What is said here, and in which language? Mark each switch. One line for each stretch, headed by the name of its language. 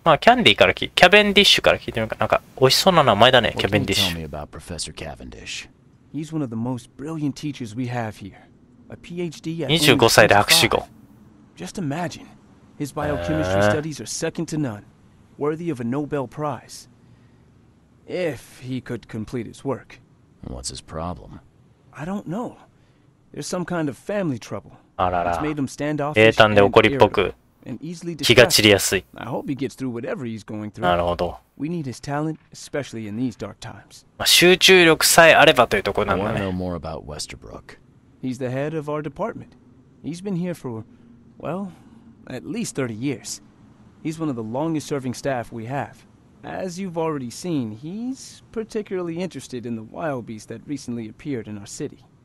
Japanese: まあキャンディーから聞いて、キャベンディッシュから聞いてみるか。なんか、美味しそうな名前だね、キャベンディッシュ。
English: What can you tell me about Professor Cavendish? He's one of the most brilliant teachers we have here. A PhD at
Japanese: 25歳で博士号。
English: Just imagine. His biochemistry studies are second to none. Worthy of a Nobel Prize. If he could complete his work. What's his problem? I don't know. There's some kind of family trouble.
Japanese: あらら。
English: It's made him stand off.
Japanese: 平坦で怒りっぽく。気が散りやすい。
English: I hope he gets through whatever he's going through.
Japanese: なるほど。
English: We need his talent, especially in these dark times.
Japanese: 集中力さえあればというところなんだね。
English: I want to know more about Westerbrook. He's the head of our department. He's been here for, well, at least 30 years. He's one of the longest serving staff we have. As you've already seen, he's particularly interested in the wild beast that recently appeared in our city.